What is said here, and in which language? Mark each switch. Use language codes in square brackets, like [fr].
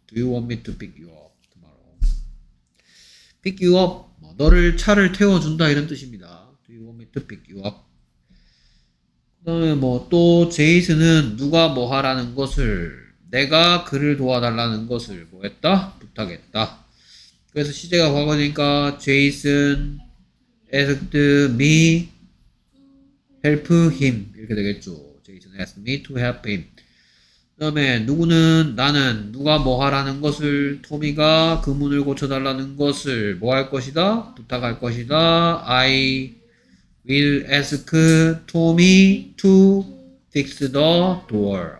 [en] Do you want me to pick you up tomorrow? Pick you up [ko] 뭐, 너를 차를 태워준다 이런 뜻입니다. [en] Do you want me to pick you up? [ko] 그 다음에 뭐 또 제이슨은 누가 뭐 하라는 것을 내가 그를 도와달라는 것을 뭐 했다? 부탁했다. 그래서 시제가 과거니까 제이슨 [en] asked me help him [ko] 이렇게 되겠죠. [en] 제이슨 asked me to help him. [ko] 그 다음에 누구는 나는 누가 뭐 하라는 것을 토미가 그 문을 고쳐달라는 것을 뭐 할 것이다? 부탁할 것이다. [en] I will ask Tommy to fix the door.